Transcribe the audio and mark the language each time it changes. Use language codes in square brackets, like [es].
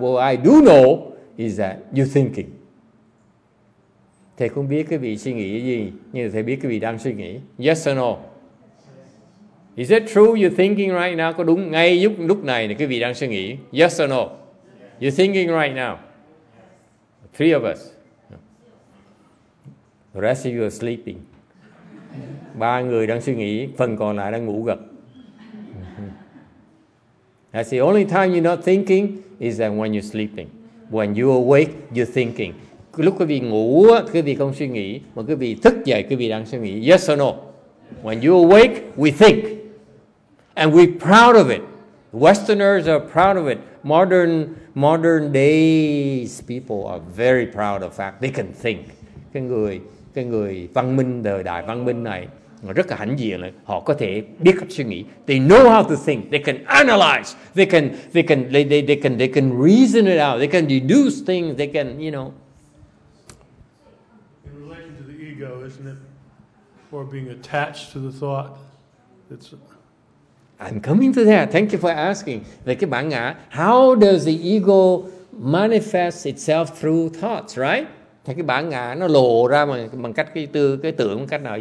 [en] What I do know is that you're thinking. [vi] Thầy không biết quý vị suy nghĩ cái gì, nhưng thầy biết quý vị đang suy nghĩ. [en] Yes or no? Is it true you're thinking right now? [vi] Có đúng ngay lúc này quý vị đang suy nghĩ? [en] Yes or no? You're thinking right now. Three of us. The rest of you are sleeping. [vi] Ba người đang suy nghĩ, phần còn lại đang ngủ gật. [en] That's the only time you're not thinking is that when you're sleeping. When you awake, you're thinking. [vi] Lúc quý vị ngủ, quý vị không suy nghĩ, mà quý vị thức dậy, quý vị đang suy nghĩ. [en] Yes or no? When you awake, we think. And we're proud of it. Westerners are proud of it. Modern days people are very proud of the fact they can think. [vi] Cái người văn minh đời đại văn minh này rất là hãnh diện, họ có thể biết cách suy nghĩ. [en] They know how to think. They can analyze. They can reason it out. They can deduce things. They can, you know. In relation to the ego, isn't it, or being attached to the thought, it's. I'm coming to that. Thank you for asking. [vi] Về cái bản ngã, [en] how does the ego manifest itself through thoughts, right? [vi] Thì cái bản ngã nó lộ ra bằng cách cái tưởng cách nào?